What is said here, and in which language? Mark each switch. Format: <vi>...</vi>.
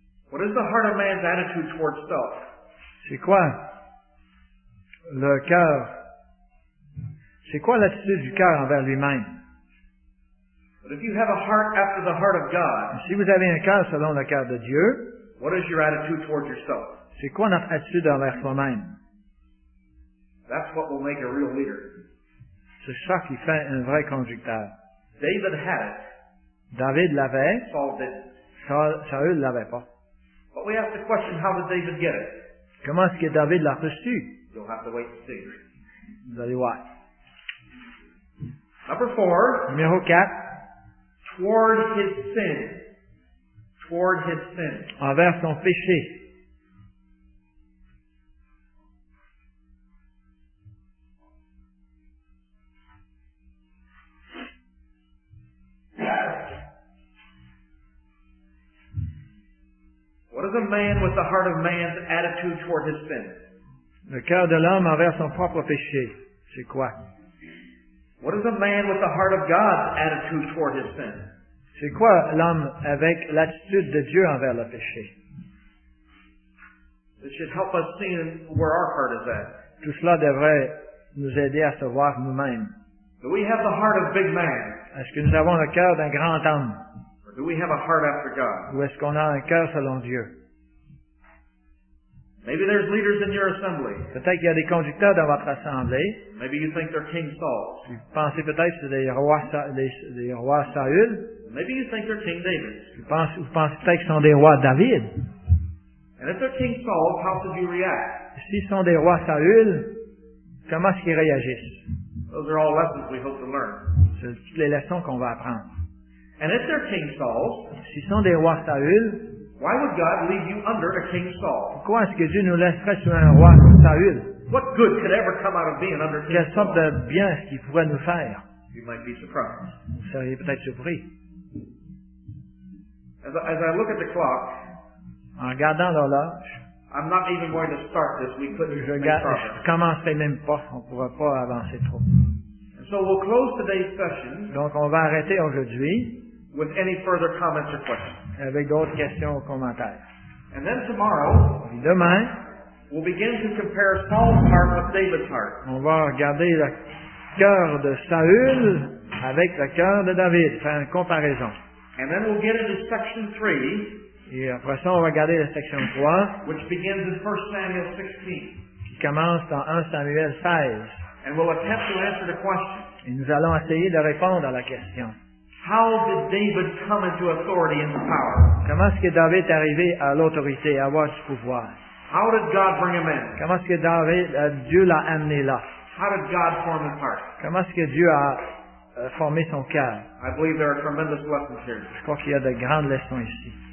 <en>What is the heart of man's attitude towards self?</en> <fr>C'est quoi le cœur? C'est quoi l'attitude du cœur envers lui-même?</fr> <en>But if you have a heart after the heart of God,</en> <fr>si vous avez un cœur selon le cœur de Dieu,</fr> <en>what is your attitude towards yourself?</en> <fr>C'est quoi notre attitude envers soi-même?</fr> <en>That's what will make a real leader.</en> <fr>C'est ça qui fait un vrai conducteur.</fr> <en>David had it.</en> <fr>David l'avait.</fr> <en>Saul didn't.</en> <fr>Saul l'avait pas.</fr> <en>But we ask the question, how did David get it?</en> <fr>Comment est-ce que David l'a reçu?</fr> <en>You'll have to wait to see.</en> <fr>Vous allez voir.</fr> <en>Number four.</en> <fr>Numéro 4.</fr> <en>Toward his sin. Toward his sin.</en> <fr>Envers son péché.</fr> <en>A man with the heart of man's attitude toward his sin.</en> <fr>Le cœur de l'homme envers son propre péché, c'est quoi?</fr> <en>What is a man with the heart of God's attitude toward his sin?</en> <fr>C'est quoi l'homme avec l'attitude de Dieu envers le péché?</fr> <en>It should help us see where our heart is at.</en> <fr>Tout cela devrait nous aider à savoir nous-mêmes.</fr> <en>Do we have the heart of big man?</en> <fr>Est-ce que nous avons le cœur d'un grand homme?</fr> <en>Do we have a heart after God?</en> <fr>Ou est-ce qu'on a un cœur selon Dieu?</fr> <en>Maybe there's leaders in your assembly.</en> <fr>Peut-être qu'il y a des conducteurs dans votre assemblée.</fr> <en>Maybe you think they're King Saul.</en> <fr>Vous pensez peut-être que c'est des rois Saül.</fr> <en>Maybe you think they're King David.</en> <fr>Vous pensez peut-être qu'ils sont des rois David.</fr> <en>And if they're King Saul, how should you react?</en> <fr>S'ils sont des rois Saül, comment est-ce qu'ils réagissent?</fr> <en>Those are all lessons we hope to learn.</en> <fr>C'est toutes les leçons qu'on va apprendre.</fr> <en>And if they're King Saul,</en> <fr>s'ils sont des rois Saül,</fr> <en>why would God leave you under a King Saul?</en> <fr>Pourquoi est-ce que Dieu nous laisserait sous un roi comme Saül?</fr> <en>What good could ever come out of being under King Saul?</en> <fr>Quelle sorte de bien est-ce qu'il pourrait nous faire?</fr> <en>You might be surprised.</en> <fr>Vous seriez peut-être surpris.</fr> <en>As I look at the clock,</en> <fr>en regardant l'horloge,</fr> <en>I'm not even going to start this. We couldn't even make progress.</en> <fr>Je commencerai même pas. On ne pourra pas avancer trop.</fr> <en>So we'll close today's session.</en> <fr>Donc on va arrêter aujourd'hui.</fr> <en>With any further comments or questions.</en> <fr>Avec d'autres questions ou commentaires.</fr> <en>And then tomorrow.</en> <fr>Et demain.</fr> <en>We'll begin to compare Saul's heart with David's heart.</en> <fr>On va regarder le cœur de Saül avec le cœur de David, faire une comparaison.</fr> <en>And then we'll get into section 3.</en> <fr>Et après ça, on va regarder la section 3.</fr> <en>Which begins in 1 Samuel 16.</en> <fr>Qui commence dans 1 Samuel 16.</fr> <en>And we'll attempt to answer the question.</en> <fr>Et nous allons essayer de répondre à la question.</fr> <en>How did David come into authority and power?</en> <fr>Comment est-ce que David est arrivé à l'autorité, à avoir du pouvoir?</fr> <en>How did God bring him in?</en> <fr>Comment est-ce que Dieu l'a amené là?</fr> <en>How did God form his heart?</en> <fr>Comment est-ce que Dieu a formé son cœur?</fr> <en>I believe there are tremendous lessons here.</en> <fr>Je crois qu'il y a de grandes leçons ici.</fr>